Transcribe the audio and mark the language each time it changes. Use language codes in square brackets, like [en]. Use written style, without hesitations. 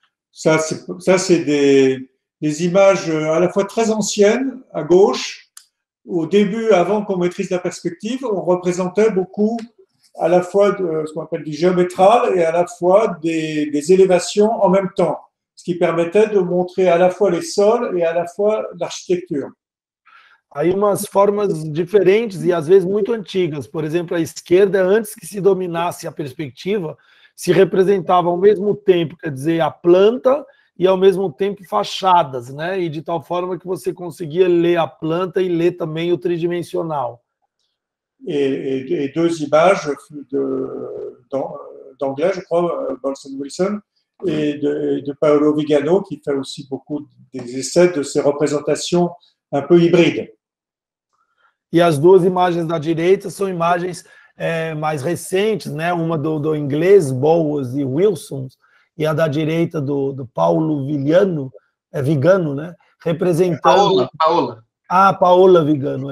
[fr] Ça, c'est des images à la fois très anciennes, à gauche. Au début, avant qu'on maîtrise la perspective, on représentait beaucoup à la fois ce qu'on appelle du géométral et à la fois des élévations en même temps. ce qui permettait de montrer à la fois les sols et à la fois l'architecture. [pt] Aí umas formas diferentes e às vezes muito antigas. Por exemplo, a esquerda, antes que se dominasse a perspectiva, se representava ao mesmo tempo, quer dizer, a planta e ao mesmo tempo fachadas, né? E de tal forma que você conseguia ler a planta e ler também o tridimensional. E duas imagens [fr] d'anglais, je crois, Bolson Wilson, de Paolo Vigano, que fait aussi beaucoup des essais de ces représentations un peu hybrides. [pt] E as duas imagens da direita são imagens mais recentes, né? Uma do inglês, Bowles e Wilson, e a da direita do Paolo Vigano, Vigano, né? Representando... Paola Vigano.